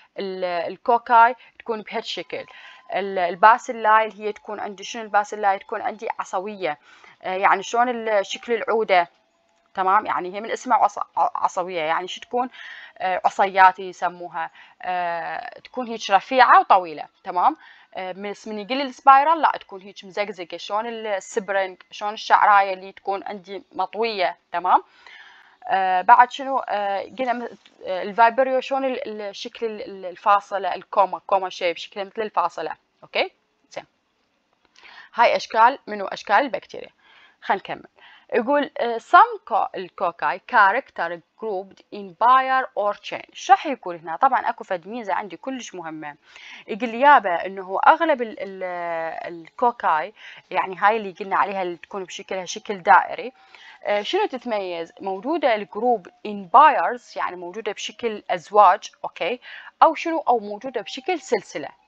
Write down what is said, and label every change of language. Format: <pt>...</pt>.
<ar>الكوكاي تكون بهالشكل. الباسيلاي هي تكون عندي شنو؟ الباسيلاي تكون عندي عصويه، يعني شلون شكل العوده، تمام؟ يعني هي من اسمها عصويه، يعني شو تكون؟ عصيات يسموها، تكون هيك رفيعه وطويله، تمام؟ بس من يقل السبايرال لا، تكون هيك مزقزقه، شلون السبرنج، شلون الشعرايه اللي تكون عندي مطويه، تمام؟ بعد شنو؟ قلنا الفايبريو، شلون الشكل الفاصله، الكوما، كوما شيب، شكلها مثل الفاصله، اوكي؟ زين، هاي اشكال منو؟ اشكال البكتيريا. خلينا نكمل.</ar> <en>يقول some الكوكاي character grouped in pair or chain.</en> <ar>شو راح يقول هنا؟ طبعا اكو فد ميزه عندي كلش مهمه. يقول يابا انه اغلب الكوكاي، يعني هاي اللي قلنا عليها اللي تكون بشكلها شكل دائري، شنو تتميز؟ موجوده الجروب</ar> <en>in pairs،</en> <ar>يعني موجوده بشكل ازواج، اوكي؟ او شنو؟ او موجوده بشكل سلسله.</ar>